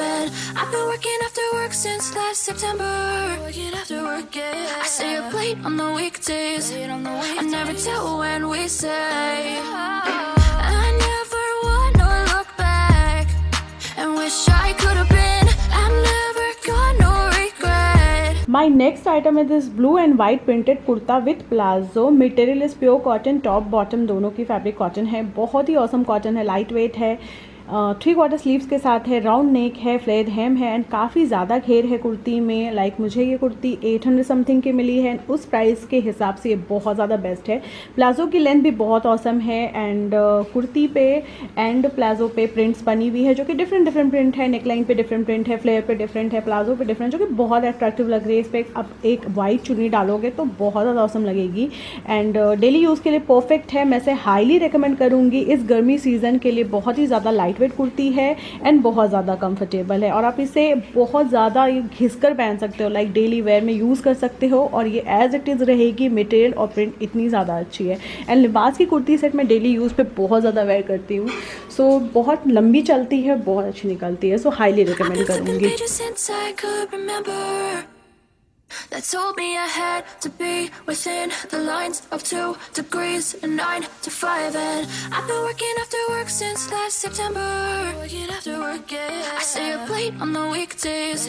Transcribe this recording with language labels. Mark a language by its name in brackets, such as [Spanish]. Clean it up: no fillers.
[English] And I've been working after work since last September. Working after work, yeah. I stay up late on the weekdays. I never tell when we say. I never wanna look back and wish I could have been. I'm never gonna. My next item is this blue and white printed kurta with palazzo. Material is pure cotton, [Hindi] top bottom दोनों की fabric cotton है. बहुत ही awesome cotton है, light weight है, three quarter sleeves के साथ है, round neck है, फ्लेयर हेम है एंड काफ़ी ज़्यादा घेर है कुर्ती में. लाइक मुझे ये कुर्ती 800 समथिंग की मिली है एंड उस प्राइस के हिसाब से ये बहुत ज़्यादा बेस्ट है. प्लाजो की लेंथ भी बहुत ऑसम है एंड कुर्ती पे एंड प्लाजो पे प्रिंट्स बनी हुई है जो कि डिफरेंट डिफरेंट प्रिंट है. नेकलाइन पे डिफरेंट प्रिंट है, फ्लेयर पे डिफरेंट है, प्लाजो पे डिफरेंट, जो कि बहुत अट्रैक्टिव लग रही है. इस पर आप एक वाइट चुन्नी डालोगे तो बहुत ज़्यादा ऑसम लगेगी एंड डेली यूज़ के लिए परफेक्ट है. मैं इसे हाईली रिकमेंड करूँगी. इस गर्मी सीजन के लिए बहुत ही ज़्यादा लाइटवेट कुर्ती है एंड बहुत ज़्यादा कंफर्टेबल है और आप इसे बहुत ज़्यादा घिसकर पहन सकते हो, लाइक डेली वेयर में यूज़ कर सकते हो और ये [English] as it is [Hindi] रहेगी. मटेरियल और प्रिंट इतनी ज़्यादा अच्छी है एंड लिबास की कुर्ती सेट मैं डेली यूज़ पे बहुत ज़्यादा वेयर करती हूँ. सो बहुत लंबी चलती है, बहुत अच्छी निकलती है. सो हाईली रिकमेंड करूँगी. [English] That told me I had to be within the lines of 2 degrees and 9 to 5. And I've been working after work since last September. Working after work, yeah. I stay up late on the weekdays.